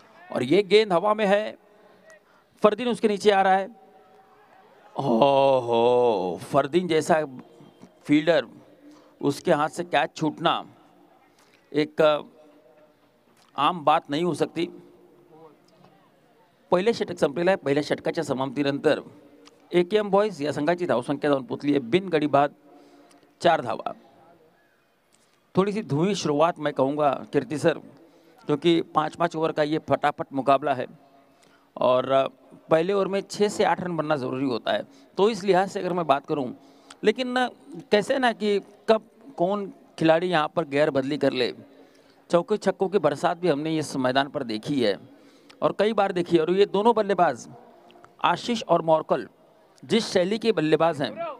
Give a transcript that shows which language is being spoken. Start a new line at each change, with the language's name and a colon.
Hindi: और ये गेंद हवा में है, फरदीन उसके नीचे आ रहा है, ओहो, फरदीन जैसा फील्डर, उसके हाथ से कैच छूटना एक आम बात नहीं हो सकती।
Marathi: पहले षटक संपलेला है, पहले षटकाच्या समाप्तीनंतर एकेएम बॉयज या संघाची धावसंख्या दोन पोचली आहे बिन गडी बाद चार धावा।
Hindi: थोड़ी सी धुई शुरुआत मैं कहूँगा कीर्ति सर, क्योंकि पाँच पाँच ओवर का ये फटाफट मुकाबला है और पहले ओवर में छः से आठ रन बनना ज़रूरी होता है, तो इस लिहाज से अगर मैं बात करूँ, लेकिन कैसे ना कि कब कौन खिलाड़ी यहाँ पर गैर बदली कर ले, चौके छक्कों की बरसात भी हमने इस मैदान पर देखी है और कई बार देखी है। और ये दोनों बल्लेबाज आशीष और मौरकल जिस शैली के बल्लेबाज हैं,